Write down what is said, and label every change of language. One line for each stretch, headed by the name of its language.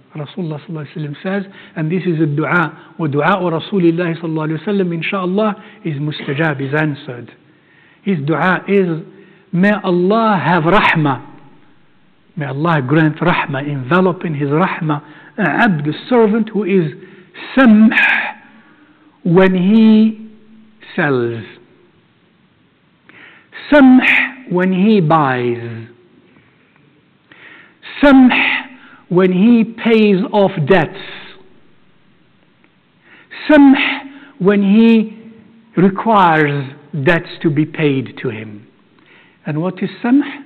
English: Rasulullah
Arabic: صلى الله عليه وسلم
English: says, and this is a dua.
Arabic: ودعاء رسول الله صلى الله عليه وسلم إن شاء الله
English: is
Arabic: مستجاب,
English: is answered. His dua is, may Allah have rahma. May Allah grant rahma, envelop in His rahma an abd, a servant who is samh when he sells, samh when he buys, samh when he pays off debts, samh when he requires debts to be paid to him. And what is samh?